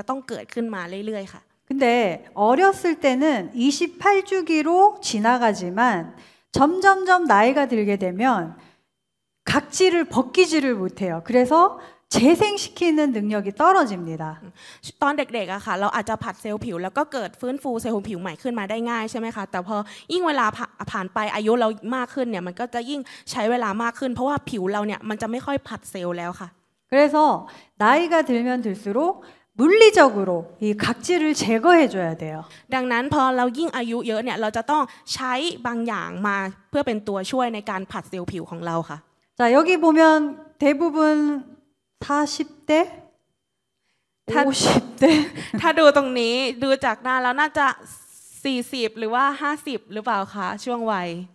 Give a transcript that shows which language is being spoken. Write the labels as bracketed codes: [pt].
[th] ก็คือในระยะนี้ค่ะมันจะต้องมีการผลัดเซลล์ผิวข้างนอกออกแล้วผิวใหม่เนี่ยจะต้องเกิดขึ้นมาเรื่อยๆค่ะ. [ko] 근데 어렸을 때는 28주기로 지나가지만 점점점 나이가 들게 되면 각질을 벗기지를 못해요. 그래서 재생시키는 능력이 떨어집니다. [th] ตอนเด็กๆอะค่ะเราอาจจะผัดเซลล์ผิวแล้วก็เกิดฟื้นฟูเซลล์ผิวใหม่ขึ้นมาได้ง่ายใช่ไหมคะแต่พอยิ่งเวลาผ่านไปอายุเรามากขึ้นเนี่ยมันก็จะยิ่งใช้เวลามากขึ้นเพราะว่าผิวเราเนี่ยมันจะไม่ค่อยผัดเซลล์แล้วค่ะ. [ko] 그래서 나이가 들면 들수록 물리적으로 이 각질을 제거해줘야 돼요. [th] ดังนั้นพอเรายิ่งอายุเยอะเนี่ยเราจะต้องใช้บางอย่างมาเพื่อเป็นตัวช่วยในการผัดเซลล์ผิวของเราค่ะ. [ko] 자여기보면대부분40대50대 [th] ถ้าดูตรงนี้ดูจากหน้าแล้วน่าจะ40หรือว่า50หรือเปล่าคะช่วงวัย